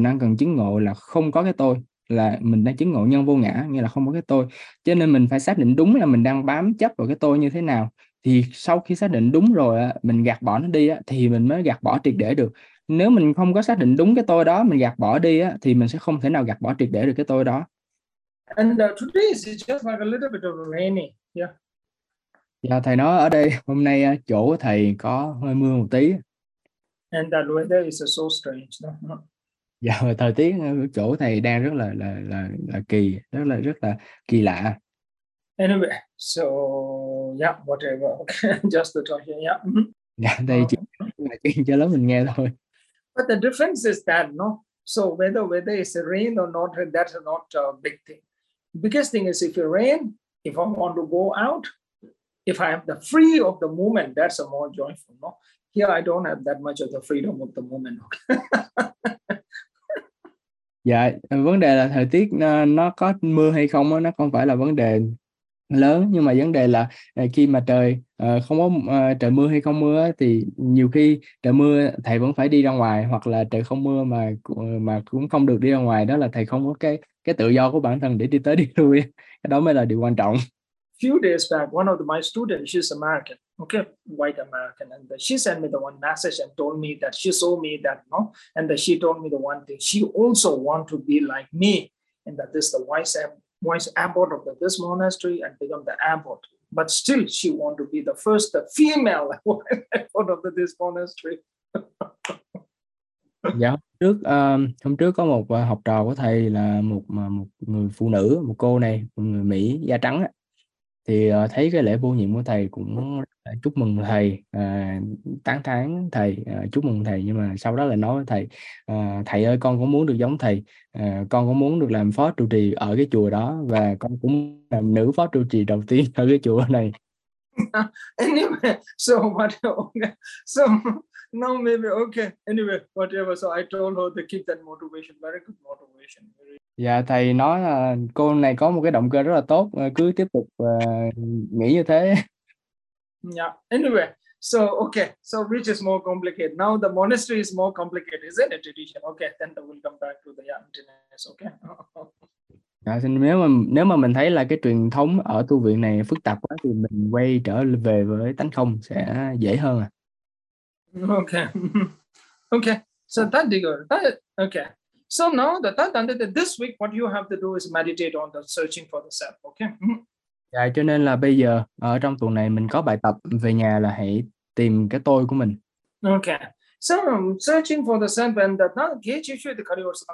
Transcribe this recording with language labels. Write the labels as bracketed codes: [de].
[vi] Mình đang cần chứng ngộ là không có cái tôi, là mình đang chứng ngộ nhân vô ngã, nghĩa là không có cái tôi. Cho nên mình phải xác định đúng là mình đang bám chấp vào cái tôi như thế nào. Thì sau khi xác định đúng rồi á, mình gạt bỏ nó đi á, thì mình mới gạt bỏ triệt để được. Nếu mình không có xác định đúng cái tôi đó, mình gạt bỏ đi á, thì mình sẽ không thể nào gạt bỏ triệt để được cái tôi đó. [en] And today is just like a little bit of rainy. Yeah. [vi] Dạ, thầy nói ở đây hôm nay chỗ của thầy có hơi mưa một tí. [en] And that weather is so strange. No? [vi] Dạ, thời tiết chỗ thầy đang rất là kỳ, rất là kỳ lạ. [en] Anyway, so yeah, whatever. Okay, just to talk here. Yeah. [vi] Dạ, thầy chỉ là cho lớp mình nghe thôi. [en] But the difference is that, no? So whether it's rain or not, that's not a big thing. Biggest thing is if it rain, if I want to go out, if I have the free of the moment, that's a more joyful. No, here I don't have that much of the freedom of the moment. Okay. [vi] Dạ, vấn đề là thời tiết nó có mưa hay không đó, nó không phải là vấn đề lớn, nhưng mà vấn đề là khi mà trời không có trời mưa hay không mưa đó, thì nhiều khi trời mưa thầy vẫn phải đi ra ngoài, hoặc là trời không mưa mà cũng không được đi ra ngoài, đó là thầy không có cái tự do của bản thân để đi tới đi lui. Cái đó mới là điều quan trọng. [en] Few days back, one of my students, she's American, okay, white American, and she sent me the one message and told me that she saw me that, you know, and that she told me the one thing. She also want to be like me, and that this is the wise abbot of this monastery and become the abbot. But still, she want to be the first the female abbot of this monastery. [vi] Dạ, hôm trước có một học trò của thầy là một người phụ nữ, một cô này, một người Mỹ da trắng, thì thấy cái lễ bổ nhiệm của thầy cũng chúc mừng thầy, tán thán thầy, chúc mừng thầy, nhưng mà sau đó là nói với thầy, thầy ơi, con cũng muốn được giống thầy, con cũng muốn được làm phó trụ trì ở cái chùa đó, và con cũng làm nữ phó trụ trì đầu tiên ở cái chùa này. [en] Anyway, so what? So no, maybe okay. Anyway, whatever. So I told her to keep that motivation. Very good motivation. Very. [vi] Dạ, thầy nói là cô này có một cái động cơ rất là tốt, cứ tiếp tục nghĩ như thế. [en] Yeah. Anyway, so which is more complicated? Now the monastery is more complicated, isn't it? Tradition. Okay. Then we'll come back to the emptiness. Okay. [vi] Dạ, nếu mà mình thấy là cái truyền thống ở tu viện này phức tạp quá, thì mình quay trở về với tánh không sẽ dễ hơn à. [en] Okay. So that digger. That okay. So now that this week, what you have to do is meditate on the searching for the self. Okay. [vi] Dạ, cho nên là bây giờ ở trong tuần này mình có bài tập về nhà là hãy tìm cái tôi của mình. [en] Okay. So searching for the self and that now get you through the career